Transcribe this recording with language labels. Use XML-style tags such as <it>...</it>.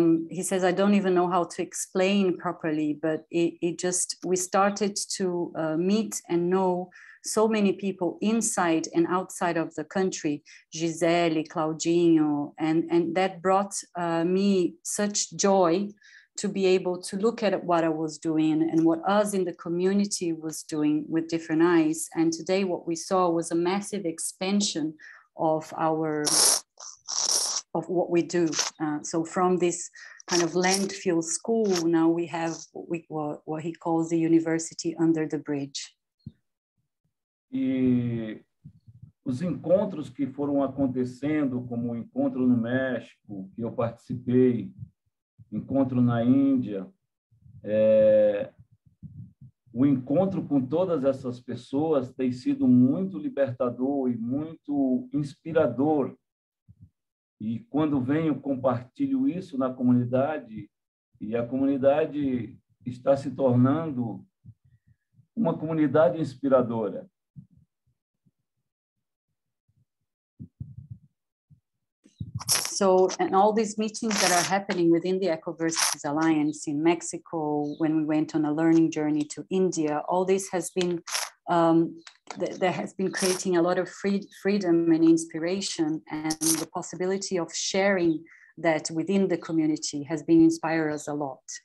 <en>He says, I don't even know how to explain properly, but we started to meet and know so many people inside and outside of the country, Gisele, Claudinho, and that brought me such joy to be able to look at what I was doing and what us in the community was doing with different eyes. And today what we saw was a massive expansion of our, of what we do. So from this kind of landfill school, now we have what he calls the university under the bridge.</en> <pt>E os encontros que foram acontecendo, como o encontro no México, que eu participei, encontro na Índia, o encontro com todas essas pessoas tem sido muito libertador e muito inspirador. E quando venho, compartilho isso na comunidade, e a comunidade está se tornando uma comunidade inspiradora.</pt> <en>So, and all these meetings that are happening within the Ecoversities Alliance in Mexico, when we went on a learning journey to India, all this has been, there has been creating a lot of freedom and inspiration, and the possibility of sharing that within the community has been inspiring us a lot.</en>